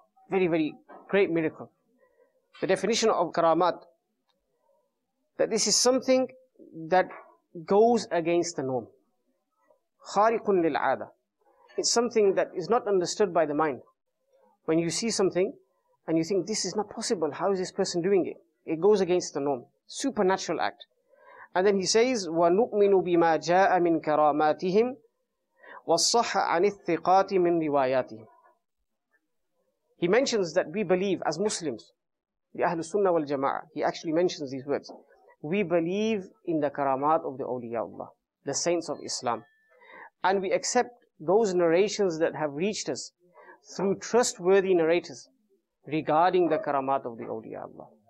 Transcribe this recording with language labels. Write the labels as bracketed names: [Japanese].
[English] Very, very great miracle. The definition of karamat, that this is something that goes against the norm. [Arabic] Khariqun lil'ada. [English] It's something that is not understood by the mind. When you see something and you think, this is not possible, how is this person doing it? It goes against the norm. Supernatural act. And then he says, [Arabic] وَنُؤْمِنُ بِمَا جَاءَ مِنْ كَرَامَاتِهِمْ وَالصَّحَ عَنِ الثِّقَاتِ مِنْ رِوَايَاتِهِمْ. [English] He mentions that we believe as Muslims, the Ahlul Sunnah wal Jama'ah, he actually mentions these words. We believe in the karamat of the awliyaullah, the saints of Islam. And we accept those narrations that have reached us through trustworthy narrators regarding the karamat of the awliyaullah.